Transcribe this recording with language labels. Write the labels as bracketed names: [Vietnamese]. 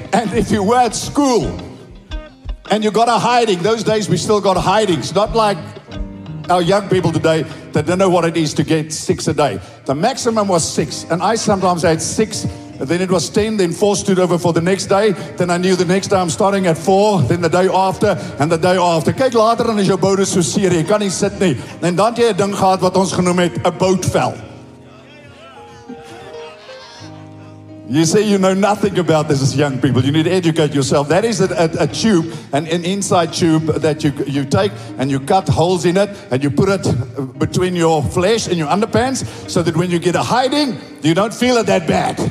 [English] And if you were at school and you got a hiding, those days we still got hidings, not like our young people today that don't know what it is to get six a day. The maximum was six, and I sometimes had six. Then it was 10, then 4 stood over for the next day. Then I knew the next day I'm starting at 4, then the day after, and the day after. [Afrikaans] Kijk, later dan is jou bonus so seer, jy kan nie sit nie. En dan het jy 'n ding gehad wat ons genoem het, 'n bootvel. [English] You say you know nothing about this as young people. You need to educate yourself. That is a tube, an inside tube that you take and you cut holes in it and you put it between your flesh and your underpants so that when you get a hiding, you don't feel it that bad.